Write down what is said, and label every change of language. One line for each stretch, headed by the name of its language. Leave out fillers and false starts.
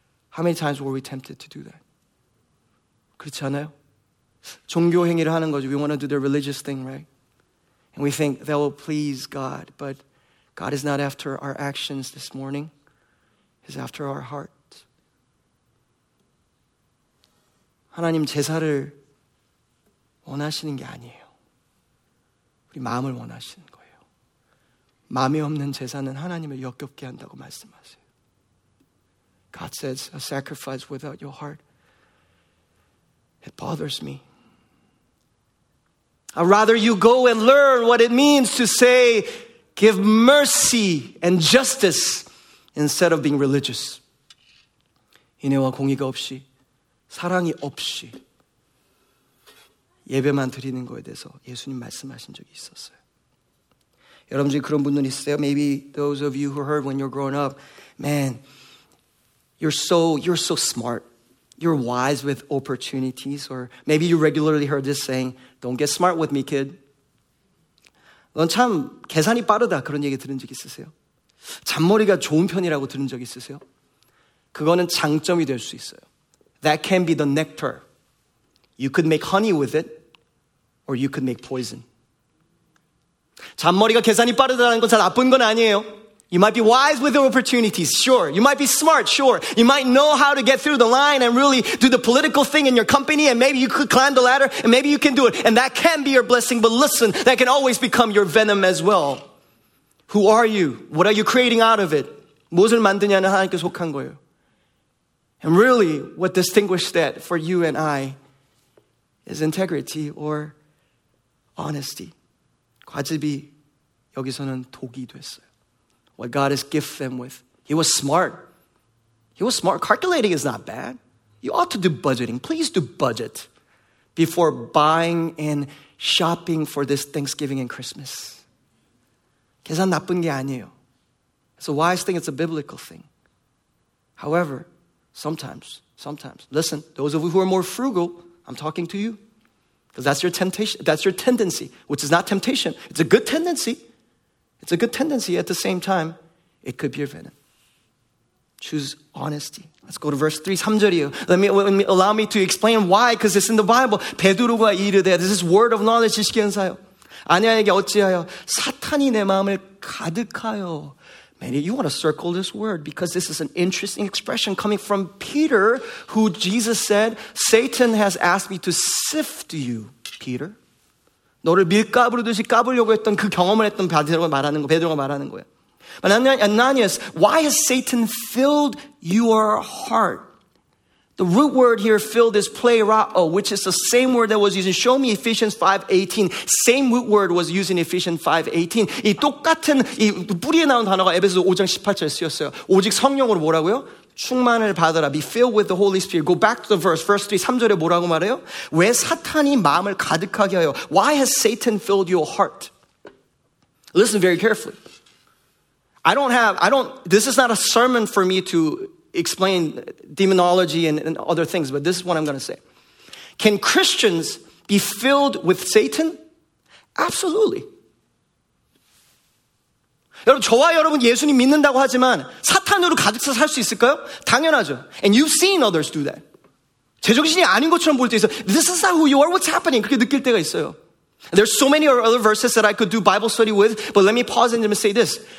English: How many times were we tempted to do that?
Korean: 그렇지 않아요? 종교 행위를 하는 거죠.
English: We want to do the religious thing, right? And we think that will please God. But God is not after our actions this morning. He's after our heart.
Korean: 하나님 제사를 원하시는 게 아니에요. 우리 마음을 원하시는 거예요. 마음이 없는 제사는 하나님을 역겹게 한다고 말씀하세요.
English: God says, a sacrifice without your heart, it bothers me. I'd rather you go and learn what it means to say, give mercy and justice instead of being religious.
Korean: 인애와 공의가 없이 사랑이 없이 예배만 드리는 거에 대해서 예수님 말씀하신 적이 있었어요. 여러분 중에 그런 분들 있어요?
English: Maybe those of you who heard when you're growing up, man, you're so smart. You're wise with opportunities. Or maybe you regularly heard this saying, don't get smart with me, kid.
Korean: 넌 참 계산이 빠르다 그런 얘기 들은 적 있으세요? 잔머리가 좋은 편이라고 들은 적 있으세요? 그거는 장점이 될 수 있어요.
English: That can be the nectar. You could make honey with it, or you could make poison.
Korean: 잔머리가 계산이 빠르다는 건 잘 나쁜 건 아니에요.
English: You might be wise with the opportunities, sure. You might be smart, sure. You might know how to get through the line and really do the political thing in your company, and maybe you could climb the ladder, and maybe you can do it. And that can be your blessing, but listen, that can always become your venom as well. Who are you? What are you creating out of it?
Korean: 무엇을 만드냐는 하나님께 속한 거예요.
English: And really, what distinguishes that for you and I is integrity or honesty.
Korean: 과즙이 여기서는 독이 됐어요.
English: What God has gifted them with. He was smart. He was smart. Calculating is not bad. You ought to do budgeting. Please do budget before buying and shopping for this Thanksgiving and Christmas.
Korean: 계산 나쁜 게 아니에요.
English: It's a wise thing. It's a biblical thing. However, sometimes, listen, those of you who are more frugal, I'm talking to you. Because that's your temptation. That's your tendency, which is not temptation. It's a good tendency. It's a good tendency. At the same time, it could be your venom. Choose honesty. Let's go to verse 3,
Korean: 3절이에요.
English: Allow me to explain why, because it's in the Bible.
Korean: 베드로가 이르되,
English: this is word of knowledge,
Korean: 지식의 은사요. 아니야에게 어찌하여 사탄이 내 마음을 가득하여.
English: Many of you want to circle this word, because this is an interesting expression coming from Peter, who Jesus said, Satan has asked me to sift you, Peter.
Korean: 너를 밀가루 듯이 까불려고 했던 그 경험을 했던 베드로가 말하는 거, 베드로가 말하는 거야.
English: But Ananias, why has Satan filled your heart? The root word here, filled, is pleirao, which is the same word that was used in, show me Ephesians 5:18. Same root word was used in Ephesians 5:18.
Korean: 이 똑같은 이 뿌리에 나온 단어가 에베소서 5장 18절에 쓰였어요. 오직 성령으로 뭐라고요? 충만을 받으라.
English: Be filled with the Holy Spirit. Go back to the verse. Verse 3,
Korean: 3절에 뭐라고 말해요? 왜 사탄이 마음을 가득하게 하여?
English: Why has Satan filled your heart? Listen very carefully. This is not a sermon for me to explain demonology and other things, but this is what I'm going to say. Can Christians be filled with Satan? Absolutely.
Korean: 여러분, 저와 여러분 예수님 믿는다고 하지만 사탄으로 가득 차서 살 수 있을까요? 당연하죠.
English: And you've seen others do that.
Korean: 제정신이 아닌 것처럼 볼 때 있어.
English: This is not who you are. What's happening?
Korean: 그렇게 느낄 때가 있어요.
English: There's so many other verses that I could do Bible study with, but let me pause and say this.